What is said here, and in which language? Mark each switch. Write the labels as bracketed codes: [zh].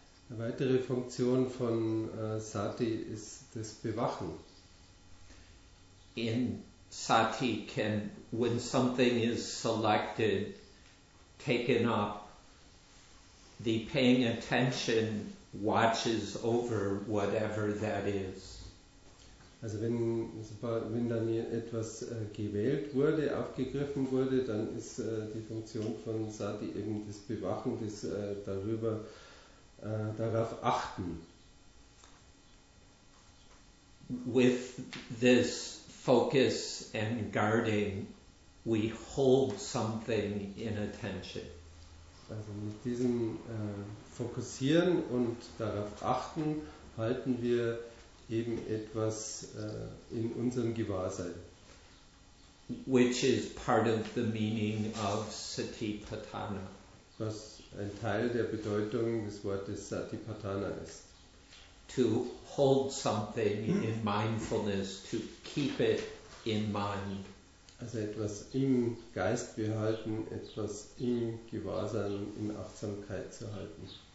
[de] Eine weitere Funktion von Sati ist das Bewachen. [en] In Sati can, when something is selected, taken up, the paying attention watches over whatever that is. [de] Also wenn dann etwas gewählt wurde, aufgegriffen wurde, dann ist die Funktion von Sati eben das Bewachen, das darüber darauf achten. [en] With this focus and guarding, we hold something in attention. [de] Also mit diesem Fokussieren und darauf achten, halten wir eben etwas in unserem Gewahrsein. [en] Which is part of the meaning of Satipatthana. [de] Was ein Teil der Bedeutung des Wortes Satipatthana ist. [en] To hold something in mindfulness, to keep it in mind. [de] Also etwas im Geist behalten, etwas im Gewahrsein, in Achtsamkeit zu halten.